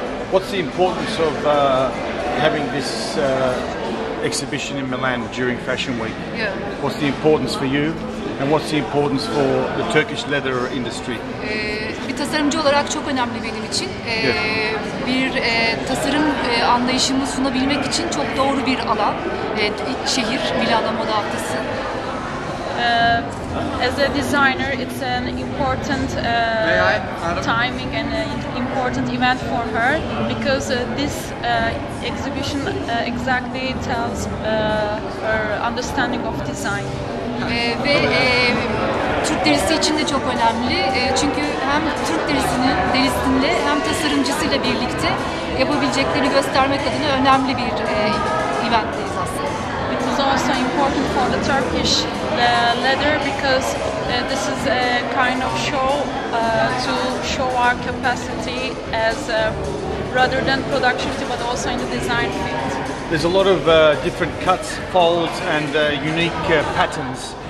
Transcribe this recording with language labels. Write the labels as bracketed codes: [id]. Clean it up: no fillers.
[en] What's the importance of having this exhibition in Milan during Fashion Week? Yeah. What's the importance for you and what's the importance for the Turkish leather industry? [tr] Bir tasarımcı olarak çok önemli benim için. Bir tasarım anlayışımı sunabilmek için çok doğru bir alan. Şehir, Milano Moda Haftası. [en] As a designer, it's an important timing and an important event for her because this exhibition exactly tells her understanding of design. [tr] Ve Türk derisi için de çok önemli çünkü hem Türk derisiyle hem tasarımcısıyla birlikte yapabileceklerini göstermek adına önemli bir eventteyiz aslında. [en] It is also important for the Turkish leather because this is a kind of show to show our capacity as rather than productivity but also in the design field. There's a lot of different cuts, folds and unique patterns.